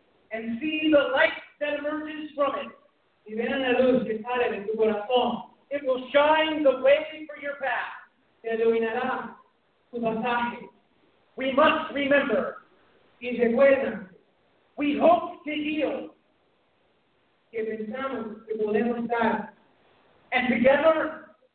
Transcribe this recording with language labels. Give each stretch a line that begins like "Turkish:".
English: And see the light that emerges from it.
Spanish: Y vean la luz que sale de tu corazón.
English: It will shine the way for your path.
Spanish: Te iluminará tu pasaje.
English: We must remember.
Spanish: Y recuerden.
English: We hope to heal.
Spanish: Que pensamos que podemos estar.
English: And together,